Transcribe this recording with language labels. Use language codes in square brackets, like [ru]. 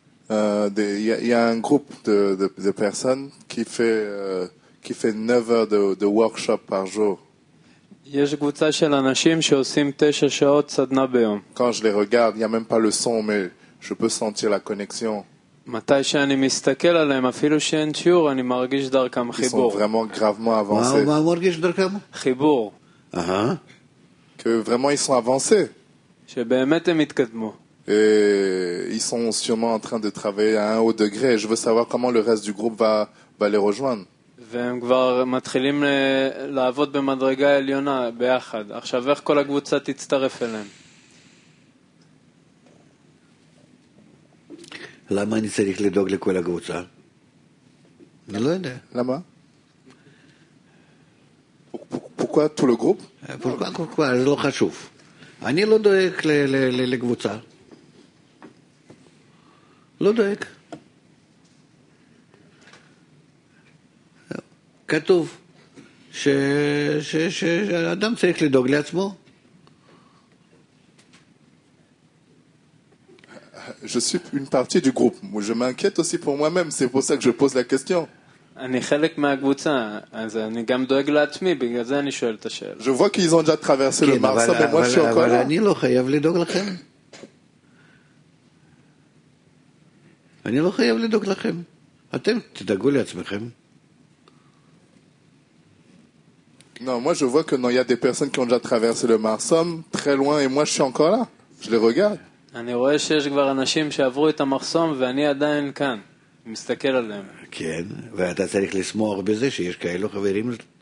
[fr] Il y a un groupe de personnes qui fait 9 heures de workshop par jour. [he] יש קבוצה של אנשים שעושים 9 שעות סדנה ביום. [fr] Quand je les regarde, il y a même pas le son mais je peux sentir la connexion. [he] מתי שאני מסתכל עליהם, אפילו שאין שיעור, אני מרגיש דרכם חיבור. [fr] Ils sont vraiment gravement avancés. [he] מה מרגיש דרכם? חיבור. [fr] Que vraiment ils sont avancés. [he] שבאמת הם התקדמו. [fr] Et ils sont sûrement en train de travailler à un haut degré. Je veux savoir comment le reste du groupe va les rejoindre. [he] והם כבר מתחילים לעבוד במדרגה עליונה ביחד. עכשיו איך כל הקבוצה תצטרף אליהם? למה אני צריך לדאוג לכל הקבוצה? אני לא יודע. למה? [fr] פוקוע תול הגרופ? פוקוע, [he] זה לא חשוב. אני לא דואג לקבוצה. לא דואג. כתוב שאדם צריך לדאוג לעצמו. [fr] Je suis une partie du groupe. Moi, je m'inquiète aussi pour moi-même. C'est pour ça que je pose la question. [he] אני חלק מהקבוצה, אז אני גם דואג לעצמי, בגלל זה אני שואל את השאלה. [fr] Je vois qu'ils ont déjà traversé le Mars, mais moi, je suis encore [he] אבל אני לא חייב לדאוג לכם. אני לא חייב לדאוג לכם. אתם תדאגו לעצמכם. [fr] Non, moi je vois que non, il y a des personnes qui ont déjà traversé le Marsom très loin et moi je suis encore là. Je les regarde. [he] אני רואה שיש כבר אנשים שעברו את המרסום ואני עדיין כאן. מסתכל עליהם. כן, ואתה צריך לסמוך בזה שיש כאלו חברים.